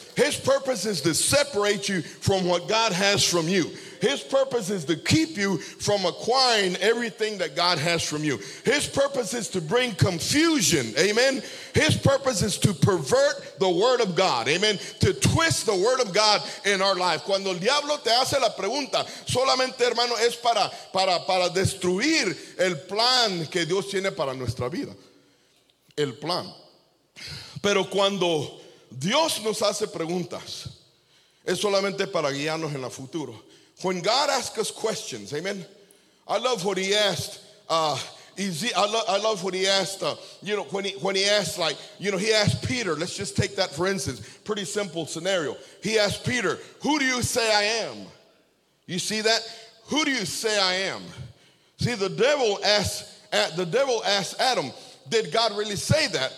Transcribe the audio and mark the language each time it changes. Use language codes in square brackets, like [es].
[en] His purpose is to separate you from what God has from you. His purpose is to keep you from acquiring everything that God has from you. His purpose is to bring confusion. Amen. His purpose is to pervert the word of God. Amen. To twist the word of God in our life. [es] Cuando el diablo te hace la pregunta, solamente, hermano, es para destruir el plan que Dios tiene para nuestra vida. El plan. Pero cuando Dios nos hace preguntas, es solamente para guiarnos en el futuro. [en] When God asks us questions, amen. I love what he asked. He asked Peter, let's just take that for instance. Pretty simple scenario. He asked Peter, who do you say I am? You see that? Who do you say I am? See, the devil asked Adam, did God really say that?